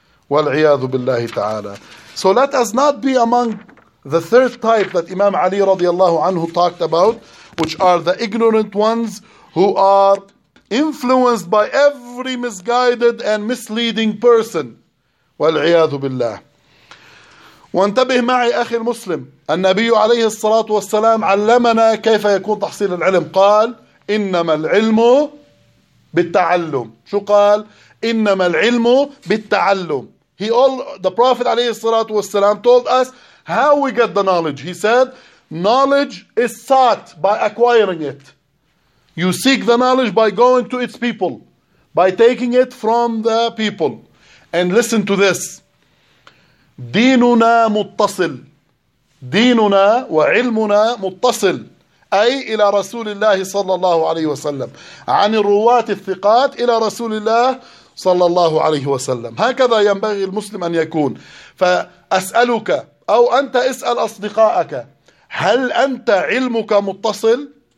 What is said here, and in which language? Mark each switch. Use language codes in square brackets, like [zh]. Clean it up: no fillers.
[ar] وَالْعِيَاذُ بِاللَّهِ تَعَالَى. [en] So let us not be among the third type that Imam Ali radiallahu anhu talked about, which are the ignorant ones who are influenced by every misguided and misleading person. [ar] وَالْعِيَاذُ بِاللَّهِ. وانتبه معي أخي المسلم النبي عليه الصلاة والسلام علمنا كيف يكون تحصيل العلم قال إنما العلم بالتعلم شو قال إنما العلم بالتعلم [en] he all the prophet عليه الصلاة والسلام told us how we get the knowledge. He said knowledge is sought by acquiring it. You seek the knowledge by going to its people, by taking it from the people. And listen to this. [ar] ديننا متصل ديننا وعلمنا متصل أي إلى رسول الله صلى الله عليه وسلم عن الرواة الثقات إلى رسول الله صلى الله عليه وسلم هكذا ينبغي المسلم أن يكون فأسألك أو أنت اسأل أصدقائك هل أنت علمك متصل